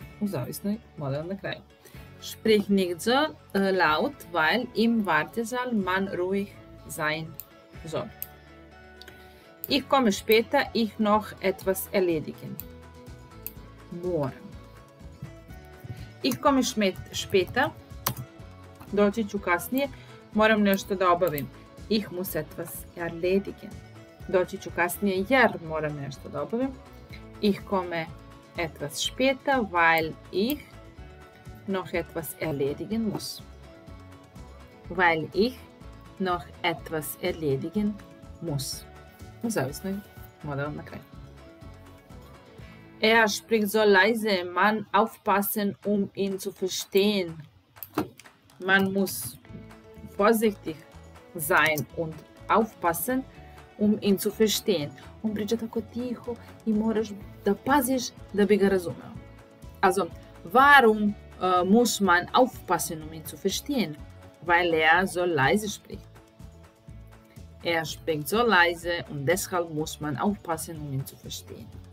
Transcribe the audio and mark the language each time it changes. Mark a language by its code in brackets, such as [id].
[sr] Zavisno je model na kraju. [de] Sprich nicht so laut, weil im Wartesaal man ruhig sein soll. Ich komme später, ich noch etwas erledigen. [sr] Moram. [de] Ich komme später, [sr] doći ću kasnije, moram nešto da obavim. [de] Ich muss etwas erledigen. [sr] Doći ću kasnije jer moram nešto da obavim. [de] Ich komme etwas später, weil ich noch etwas erledigen muss. Weil ich noch etwas erledigen muss. [sr] Zavisno je model na kraju. [de] Er spricht so leise, man aufpassen, um ihn zu verstehen. Man muss vorsichtig sein und aufpassen, um ihn zu verstehen. [sr] On priča tako tiho i moraš da paziš da bi ga razumeo. [de] Also, warum muss man aufpassen, um ihn zu verstehen? Weil er so leise spricht. Er spricht so leise und deshalb muss man aufpassen, um ihn zu verstehen.